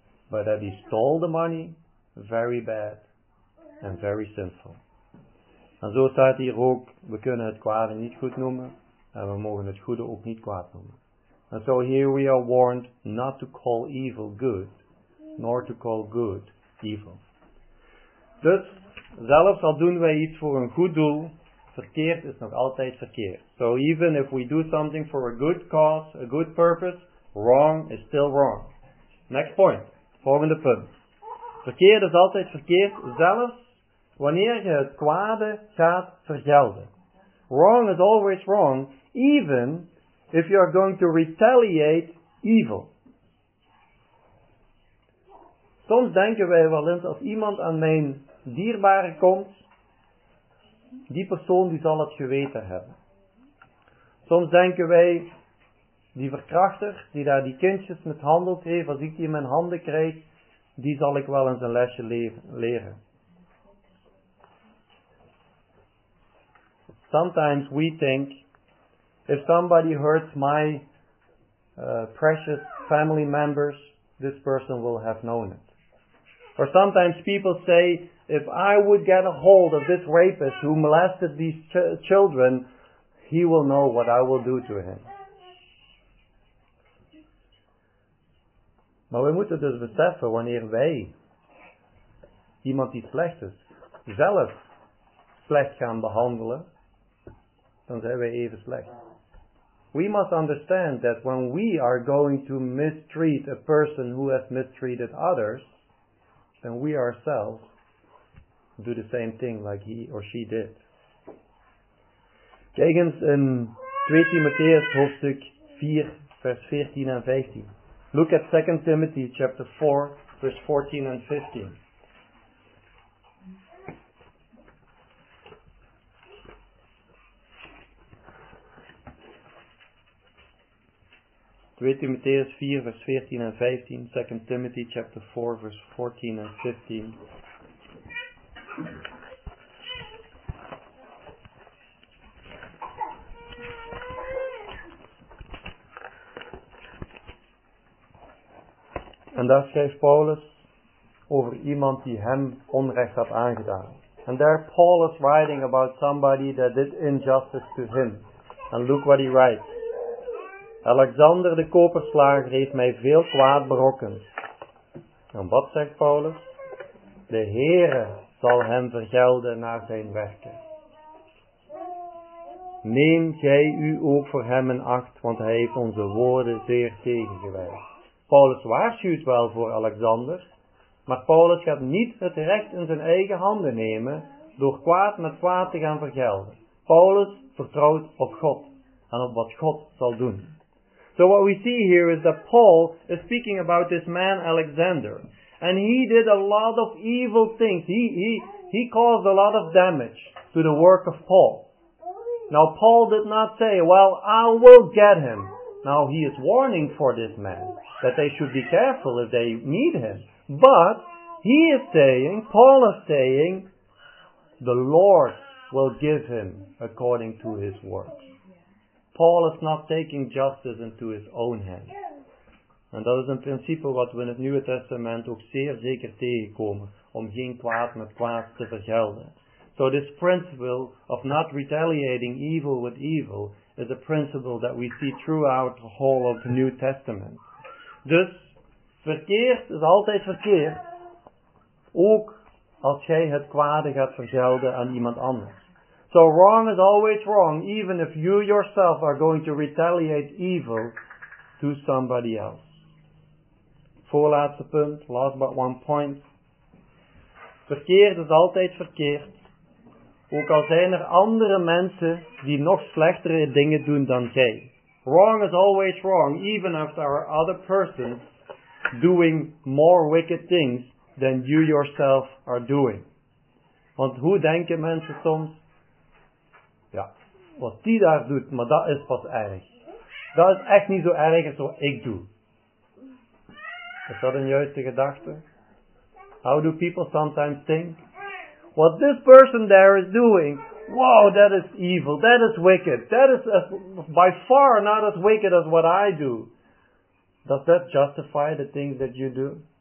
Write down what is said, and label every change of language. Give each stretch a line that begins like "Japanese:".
English: But that he stole the money, very bad and very sinful.
Dutch: En zo staat hier ook, we kunnen het kwade niet goed noemen en we mogen het goede ook niet kwaad noemen.
English: And so here we are warned not to call evil good, nor to call good evil.
Dutch: Dus, zelfs al doen wij iets voor een goed doel, verkeerd is nog altijd verkeerd.
English: So even if we do something for a good cause, a good purpose, wrong is still wrong. Next point,
Dutch: volgende punt. Verkeerd is altijd verkeerd, zelfs wanneer je het kwade gaat vergelden.
English: Wrong is always wrong, even if you are going to retaliate evil.
Dutch: Soms denken wij wel eens, als iemand aan mijn dierbare komt, die persoon die zal het geweten hebben. Soms denken wij, die verkrachter die daar die kindjes mishandeld heeft, als ik die in mijn handen krijg, die zal ik wel eens een lesje leren.
English: Sometimes we think, if somebody hurts my precious family members, this person will have known it. Or sometimes people say, if I would get a hold of this rapist who molested these children, he will know what I will do to him.
Dutch: Maar we moeten dus beseffen wanneer wij iemand die slecht is, zelf slecht gaan behandelen, dan zijn wij even slecht.
English: We must understand that when we are going to mistreat a person who has mistreated others, then we ourselves do the same thing like he or she did.
Dutch: Kijk eens in 2 Timotheus hoofdstuk 4, vers 14 en 15.
English: Look at 2 Timothy chapter 4, verse 14 and 15.
Dutch: Weet u Matthäus 4, vers 14 en 15, 2 Timothy chapter 4, vers 14 en 15. En daar schrijft Paulus over iemand die hem onrecht had aangedaan.
English: And there Paul is writing about somebody that did injustice to him. And look what he writes.
Dutch: Alexander de koperslager heeft mij veel kwaad berokken. En wat zegt Paulus? De Heere zal hem vergelden naar zijn werken. Neem jij u ook voor hem in acht, want hij heeft onze woorden zeer tegengewerkt. Paulus waarschuwt wel voor Alexander, maar Paulus gaat niet het recht in zijn eigen handen nemen door kwaad met kwaad te gaan vergelden. Paulus vertrouwt op God en op wat God zal doen.
English: So what we see here is that Paul is speaking about this man Alexander. And he did a lot of evil things. He caused a lot of damage to the work of Paul. Now Paul did not say, well, I will get him. Now he is warning for this man that they should be careful if they meet him. But he is saying, Paul is saying, the Lord will give him according to his works. Paul is not taking justice into his own hands.
Dutch: En dat is een principe wat we in het Nieuwe Testament ook zeer zeker tegenkomen. Om geen kwaad met kwaad te vergelden.
English: So this principle of not retaliating evil with evil is a principle that we see throughout the whole of the New Testament.
Dutch: Dus verkeerd is altijd verkeerd. Ook als jij het kwade gaat vergelden aan iemand anders.
English: So wrong is always wrong, even if you yourself are going to retaliate evil to somebody else.
Dutch: Voorlaatste punt,
English: last but one point.
Dutch: Verkeerd is altijd verkeerd. Ook al zijn er andere mensen die nog slechtere dingen doen dan jij.
English: Wrong is always wrong, even if there are other persons doing more wicked things than you yourself are doing.
Dutch: Want hoe denken mensen soms? Wat die daar doet, maar dat is pas erg. Dat is echt niet zo erg als wat ik doe. Is dat een juiste gedachte?
English: How do people sometimes think? What this person there is doing, wow, that is evil, that is wicked, that is by far not as wicked as what I do. Does that justify the things that you do?